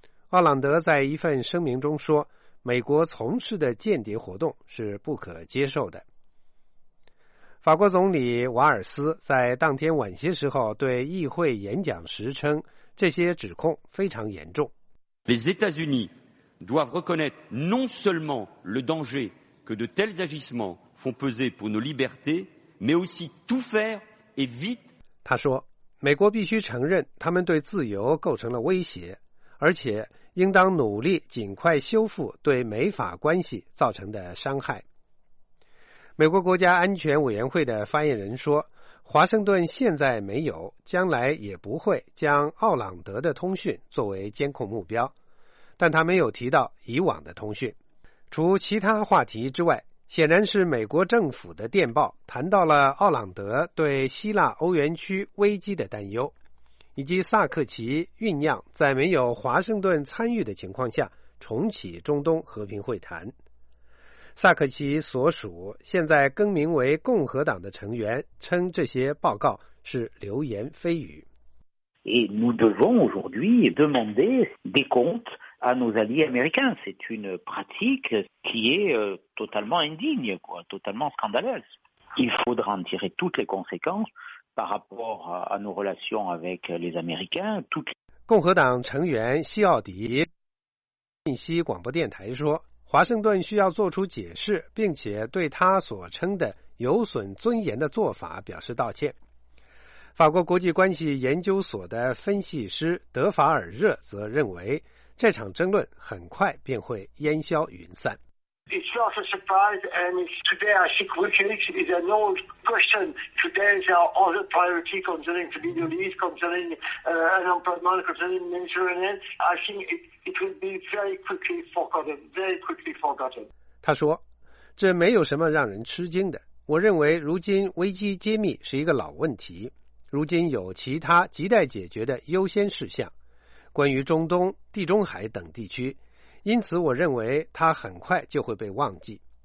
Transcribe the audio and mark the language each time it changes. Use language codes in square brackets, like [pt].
[zh] 奥朗德在一份声明中说，美国从事的间谍活动是不可接受的。法国总理瓦尔斯在当天晚些时候对议会演讲时称，这些指控非常严重。 [fr] Les États-Unis doivent reconnaître non seulement le danger que de tels agissements font peser pour nos libertés, mais aussi tout faire et vite. [zh] 他说，美国必须承认他们对自由构成了威胁，而且应当努力尽快修复对美法关系造成的伤害。美国国家安全委员会的发言人说，华盛顿现在没有，将来也不会将奥朗德的通讯作为监控目标，但他没有提到以往的通讯。除其他话题之外，显然是美国政府的电报谈到了奥朗德对希腊欧元区危机的担忧，以及萨克奇酝酿在没有华盛顿参与的情况下重启中东和平会谈。萨克奇所属现在更名为共和党的成员称这些报告是流言蜚语。 [fr] Et nous devons aujourd'hui demander des comptes à nos alliés américains. C'est une pratique qui est totalement indigne, quoi, totalement scandaleuse. Il faudra en tirer toutes les conséquences par rapport à nos relations avec les Américains. [zh] 共和党成员西奥迪信息广播电台说，华盛顿需要做出解释，并且对他所称的有损尊严的做法表示道歉。法国国际关系研究所的分析师德法尔热则认为，这场争论很快便会烟消云散。 [en] It's not a surprise, and today I think WikiLeaks is an old question. Today there are other priorities concerning the Middle East, concerning unemployment, concerning internet. I think it will be very quickly forgotten, very quickly forgotten. [zh] 他说，这没有什么让人吃惊的。我认为如今危机揭秘是一个老问题，如今有其他亟待解决的优先事项。关于中东、地中海等地区，因此我认为它很快就会被忘记。